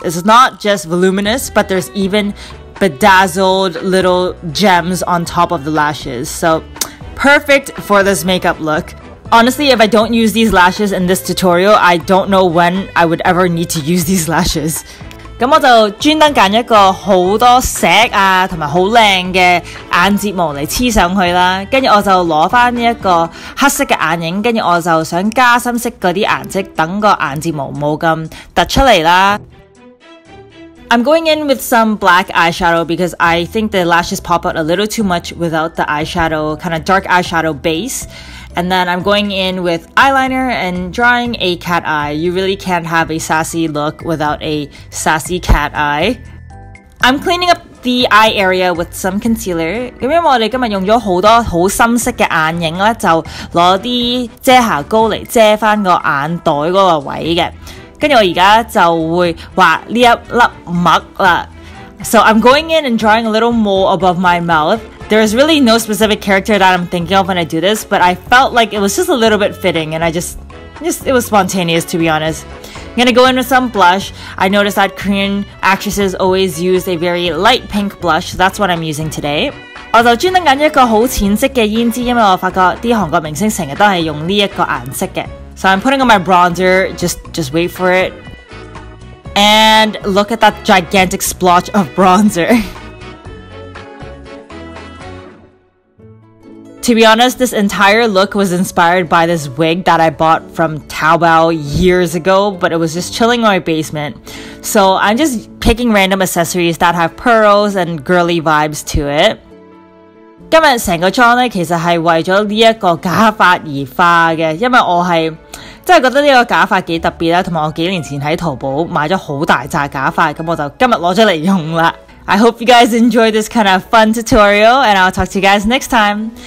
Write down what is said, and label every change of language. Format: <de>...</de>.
<en>It's not just voluminous, but there's even bedazzled little gems on top of the lashes. So perfect for this makeup look. Honestly, if I don't use these lashes in this tutorial, I don't know when I would ever need to use these lashes.</en> <yue>咁我就專登揀一個好多石啊，同埋好靚嘅眼睫毛嚟黐上去啦。跟住我就攞翻呢一個黑色嘅眼影，跟住我就想加深色嗰啲顏色，等個眼睫毛冇咁突出嚟啦。</yue> <en>I'm going in with some black eyeshadow because I think the lashes pop out a little too much without the eyeshadow, kind of dark eyeshadow base. And then I'm going in with eyeliner and drawing a cat eye. You really can't have a sassy look without a sassy cat eye. I'm cleaning up the eye area with some concealer.</en> <yue>因为我哋今日用咗好多好深色嘅眼影咧，就攞啲遮瑕膏嚟遮翻个眼袋嗰个位嘅。跟住我而家就会画呢一粒墨啦。</yue> <en>So I'm going in and drawing a little mole above my mouth. There is really no specific character that I'm thinking of when I do this, but I felt like it was just a little bit fitting, and it was spontaneous, to be honest. I'm gonna go in with some blush. I noticed that Korean actresses always use a very light pink blush, so that's what I'm using today.</en> <yue>我就專登揀一個好淺色嘅胭脂，因為我發覺啲韓國明星成日都係用呢一個顏色嘅。</yue> <en>So I'm putting on my bronzer, just wait for it. And look at that gigantic splotch of bronzer. To be honest, this entire look was inspired by this wig that I bought from Taobao years ago, but it was just chilling in my basement. So I'm just picking random accessories that have pearls and girly vibes to it.</en> <yue>今日成个妆呢，其实系为咗呢一个假发而化嘅，因为我系真系觉得呢个假发几特别啦，同埋我几年前喺淘宝买咗好大扎假发，咁我就今日攞咗嚟用啦。</yue> <en>I hope you guys enjoy this kind of fun tutorial, and I'll talk to you guys next time.</en>